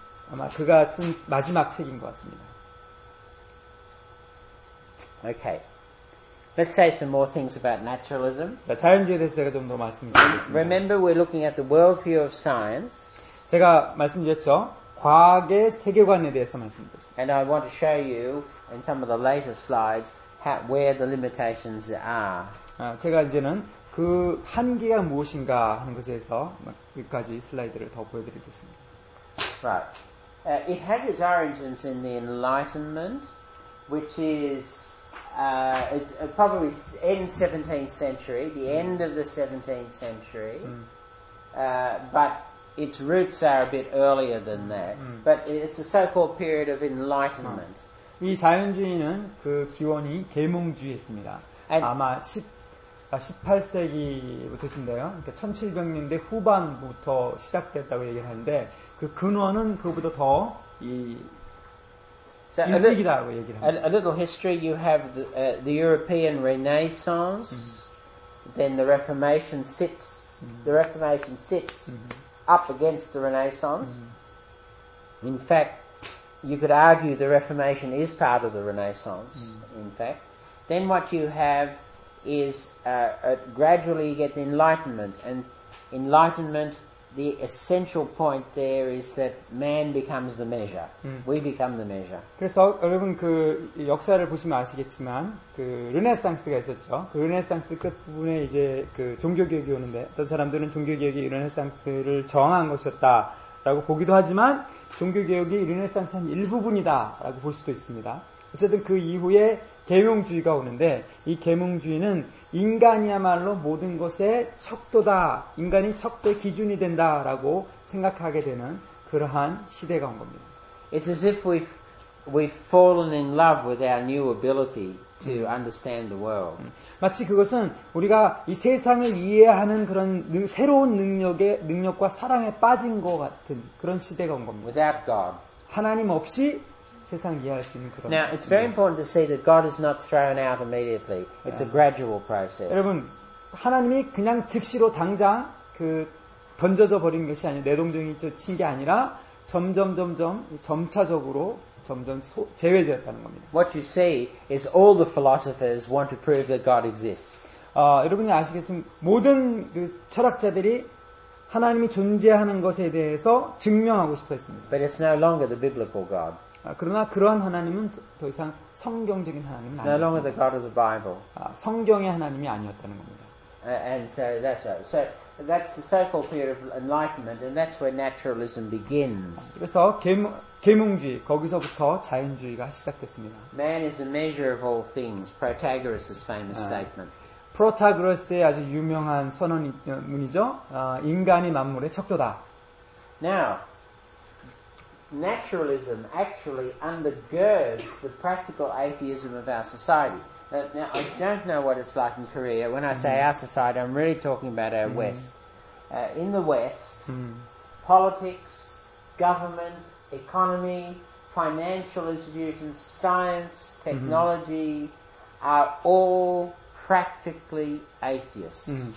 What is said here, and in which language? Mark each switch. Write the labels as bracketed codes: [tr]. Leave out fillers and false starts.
[ko] 아마 그가 쓴 마지막 책인 것 같습니다. [en] Okay. Let's say some more things about naturalism. [ko] 자, 자연주의에 대해서 제가 좀 더 말씀드리겠습니다. [en] Remember, we're looking at the worldview of science. [ko] 제가 말씀드렸죠. 과학의 세계관에 대해서 말씀드렸습니다. [en] And I want to show you in some of the later slides how, where the limitations are. [ko] 제가 이제는 그 한계가 무엇인가 하는 것에 대해서 여기까지 슬라이드를 더 보여드리겠습니다. [en] Right. It has its origins in the Enlightenment, which is probably end 17th century, the end of the 17th century. But its roots are a bit earlier than that. But it's a so-called period of Enlightenment. [ko] 이 자연주의는 그 기원이 계몽주의였습니다. 아마 10, 18세기부터인데요. 그러니까 1700년대 후반부터 시작됐다고 얘기를 하는데 그 근원은 그보다 더 이 일찍이다라고 얘기를 합니다. [en] A little history. You have the European Renaissance, then the Reformation sits. The Reformation sits up against the Renaissance. In fact, you could argue the Reformation is part of the Renaissance. In fact, then what you have is gradually you get the Enlightenment, and Enlightenment, the essential point there is that man becomes the measure. We become the measure. [ko] 그래서 여러분 그 역사를 보시면 아시겠지만 그 르네상스가 있었죠. 그 르네상스 끝부분에 이제 그 종교개혁이 오는데 어떤 사람들은 종교개혁이 르네상스를 저항한 것이었다라고 보기도 하지만 종교개혁이 르네상스의 일부분이다라고 볼 수도 있습니다. 어쨌든 그 이후에 계몽주의가 오는데 이 계몽주의는 인간이야말로 모든 것의 척도다, 인간이 척도의 기준이 된다라고 생각하게 되는 그러한 시대가 온 겁니다. [en] It's as if we've fallen in love with our new ability to understand the world. [ko] 마치 그것은 우리가 이 세상을 이해하는 그런 새로운 능력과 사랑에 빠진 것 같은 그런 시대가 온 겁니다. [en] Without God. [ko] 하나님 없이 세상 이해할 수 있는 그런 [en] Now, it's very important to see that God is not thrown out immediately. It's a gradual process. [ko] 여러분, 하나님이 그냥 즉시로 당장 그 던져져 버린 것이 아니라 내동댕이 친 게 아니라 점차적으로 제외되었다는 겁니다. [en] What you see is all the philosophers want to prove that God exists. [ko] 여러분이 아시겠지만 모든 그 철학자들이 하나님이 존재하는 것에 대해서 증명하고 싶어 했습니다. [en] But it's no longer the biblical God. [ko] 그러나 그러한 하나님은 더 이상 성경적인 하나님은 아니었어요. [en] No longer the God of the Bible. [ko] 성경의 하나님이 아니었다는 겁니다. [en] And so that's right. So that's the so-called period of enlightenment, and that's where naturalism begins. [ko] 그래서 계몽주의 거기서부터 자연주의가 시작됐습니다. [en] Man is the measure of all things. Protagoras's famous statement. [ko] 프로타고라스의 아주 유명한 선언문이죠. 인간이 만물의 척도다. [en] Now. Naturalism actually undergirds the practical atheism of our society. Now, I don't know what it's like in Korea. When I say our society, I'm really talking about our West. In the West, politics, government, economy, financial institutions, science, technology are all practically atheist.